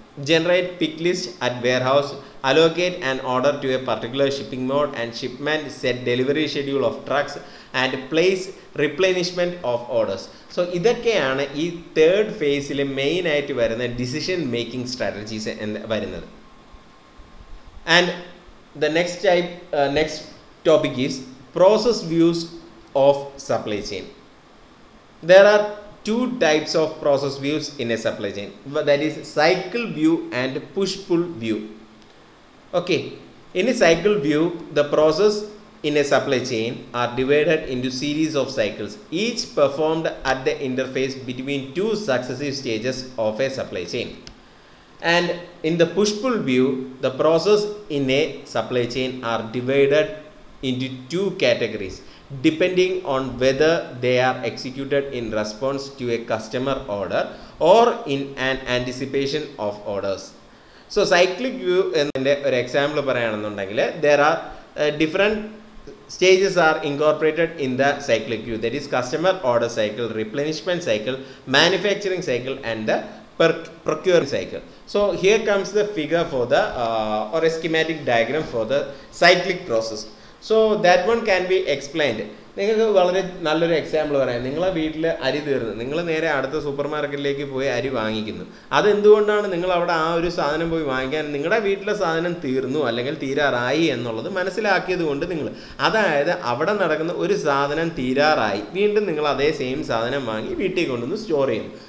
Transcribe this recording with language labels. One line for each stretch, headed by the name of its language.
English: Generate pick list at warehouse, allocate an order to a particular shipping mode and shipment, set delivery schedule of trucks and place replenishment of orders.
Malayalam: So ഇതൊക്കെയാണ് ഈ third ഫേസിൽ മെയിനായിട്ട് വരുന്ന decision making strategies എന്ന് വരുന്നത്.
English: And the next type next topic is process views of supply chain. There are 2 types of process views in a supply chain, that is cycle view and push pull view. Okay, in a cycle view, the process in a supply chain are divided into series of cycles, each performed at the interface between 2 successive stages of a supply chain. And in the push pull view, the process in a supply chain are divided into 2 categories depending on whether they are executed in response to a customer order or in an anticipation of orders. So cyclic view
Malayalam: ennde or example parayanundengile
English: there are different stages are incorporated in the cyclic view, that is customer order cycle, replenishment cycle, manufacturing cycle and the procurement cycle. So here comes the figure for the or a schematic diagram for the cyclic process. So that one can be explained.
Malayalam: നിങ്ങൾക്ക് വളരെ നല്ലൊരു example പറയാം. നിങ്ങളെ വീട്ടിൽ അരി തീർന്നു, നിങ്ങൾ നേരെ അടുത്ത സൂപ്പർ മാർക്കറ്റിലേക്ക് പോയി അരി വാങ്ങിക്കുന്നു. അതെന്തുകൊണ്ടാണ് നിങ്ങൾ അവിടെ ആ ഒരു സാധനം പോയി വാങ്ങിക്കാൻ, നിങ്ങളുടെ വീട്ടിലെ സാധനം തീർന്നു അല്ലെങ്കിൽ തീരാറായി എന്നുള്ളത് മനസ്സിലാക്കിയത് കൊണ്ട് നിങ്ങൾ, അതായത് അവിടെ നടക്കുന്ന ഒരു സാധനം തീരാറായി വീണ്ടും നിങ്ങൾ അതേ സെയിം സാധനം വാങ്ങി വീട്ടിൽ കൊണ്ടുവന്ന് സ്റ്റോർ ചെയ്യും.